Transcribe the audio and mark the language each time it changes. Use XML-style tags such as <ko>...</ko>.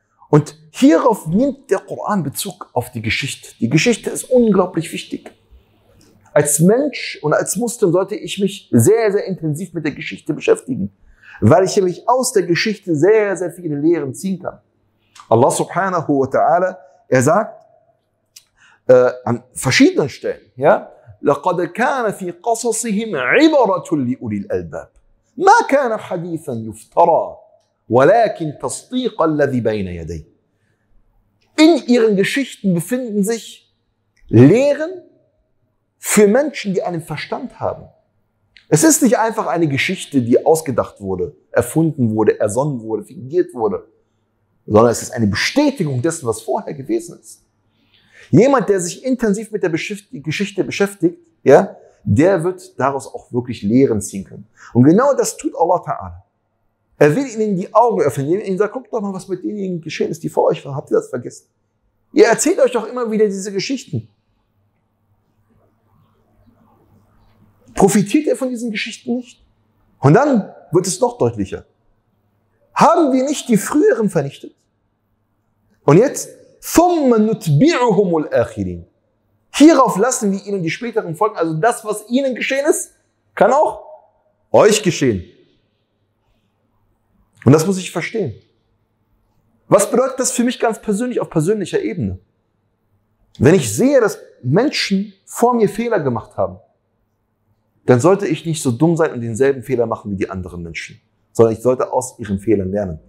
<de>Und hierauf nimmt der Koran Bezug auf die Geschichte. Die Geschichte ist unglaublich wichtig. Als Mensch und als Muslim sollte ich mich sehr, sehr intensiv mit der Geschichte beschäftigen, weil ich nämlich aus der Geschichte sehr, sehr viele Lehren ziehen kann.</de> <ar>Allah subhanahu wa ta'ala,</ar> <de>er sagt an verschiedenen Stellen, ja,</de> <ar>لَقَدْ كَانَ فِي قَصَصِهِمْ عِبَرَةٌ لِأُولِي الْأَلْبَابِ مَا كَانَ حَدِيثًا يُفْتَرَى وَلَكِنْ تَصْدِيقَ الَّذِي بَيْنَ يَدَيْهِ.</ar> <de>In ihren Geschichten befinden sich Lehren für Menschen, die einen Verstand haben. Es ist nicht einfach eine Geschichte, die ausgedacht wurde, erfunden wurde, ersonnen wurde, fingiert wurde, sondern es ist eine Bestätigung dessen, was vorher gewesen ist. Jemand, der sich intensiv mit der Geschichte beschäftigt, ja, der wird daraus auch wirklich Lehren ziehen können. Und genau das tut Allah Ta'ala. Er will ihnen die Augen öffnen. Er sagt, guckt doch mal, was mit denjenigen geschehen ist, die vor euch waren. Habt ihr das vergessen? Ihr erzählt euch doch immer wieder diese Geschichten. Profitiert ihr von diesen Geschichten nicht? Und dann wird es noch deutlicher. Haben wir nicht die Früheren vernichtet? Und jetzt,</de> <ar>ثُمَّ نُتْبِعُهُمُ الْآخِرِينَ.</ar> <de>Hierauf lassen wir ihnen die späteren Folgen. Also das, was ihnen geschehen ist, kann auch euch geschehen. Und das muss ich verstehen. Was bedeutet das für mich ganz persönlich, auf persönlicher Ebene? Wenn ich sehe, dass Menschen vor mir Fehler gemacht haben, dann sollte ich nicht so dumm sein und denselben Fehler machen wie die anderen Menschen, sondern ich sollte aus ihren Fehlern lernen.</de>